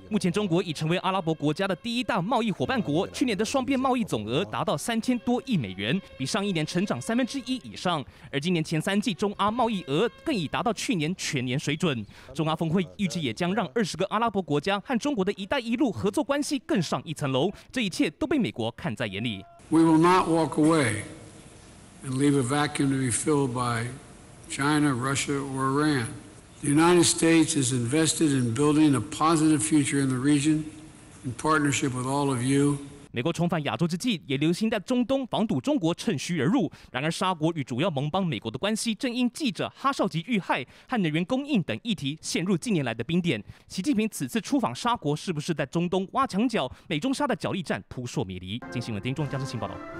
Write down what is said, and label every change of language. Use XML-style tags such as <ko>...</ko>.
<zh>目前中国已成为阿拉伯国家的第一大贸易伙伴国，去年的双边贸易总额达到3000多亿美元，比上一年成长1/3以上。而今年前三季中阿贸易额更已达到去年全年水准。中阿峰会预计也将让20个阿拉伯国家和中国的一带一路合作关系更上一层楼，这一切都被美国看在眼里。</zh> <en>We will not walk away and leave a vacuum to be filled byChina, Russia, or Iran. The United States is invested in building a positive future in the region in partnership with all of you.</en> <zh>美国重返亚洲之际，也留心在中东防堵中国趁虚而入。然而，沙国与主要盟邦美国的关系正因记者哈绍吉遇害和能源供应等议题陷入近年来的冰点。习近平此次出访沙国，是不是在中东挖墙脚？美中沙的角力战扑朔迷离。金星文丁中江之晴报道。</zh>